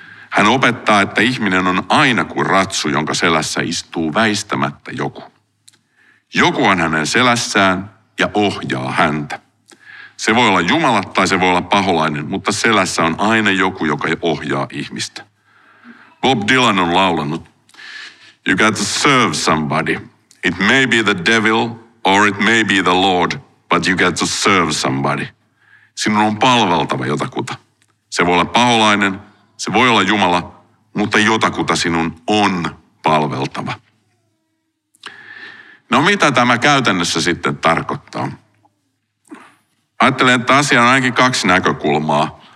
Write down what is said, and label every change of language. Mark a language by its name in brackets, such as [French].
[Finnish] Hän opettaa, että ihminen on aina kuin ratsu, jonka selässä istuu väistämättä joku. Joku on hänen selässään ja ohjaa häntä. Se voi olla Jumala tai se voi olla paholainen, mutta selässä on aina joku, joka ohjaa ihmistä. Bob Dylan on laulanut, [English] "You got to serve somebody. It may be the devil or it may be the Lord, but you got to serve somebody." [Finnish] Sinun on palveltava jotakuta. Se voi olla paholainen, se voi olla Jumala, mutta jotakuta sinun on palveltava. No mitä tämä käytännössä sitten tarkoittaa? Ajattelen, että asia on ainakin kaksi näkökulmaa.